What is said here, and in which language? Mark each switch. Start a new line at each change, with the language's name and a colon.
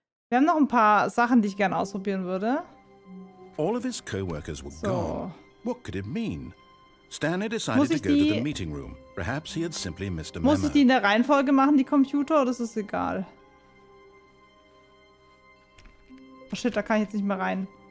German: Wir haben noch ein paar Sachen, die ich gerne ausprobieren würde.
English: All of his coworkers were gone. What could it mean? Stanley decided to go to the meeting room. Perhaps he had simply missed a memo.
German: Muss ich die in der Reihenfolge machen, die Computer, oder ist es egal? Oh shit, da kann ich jetzt nicht mehr rein.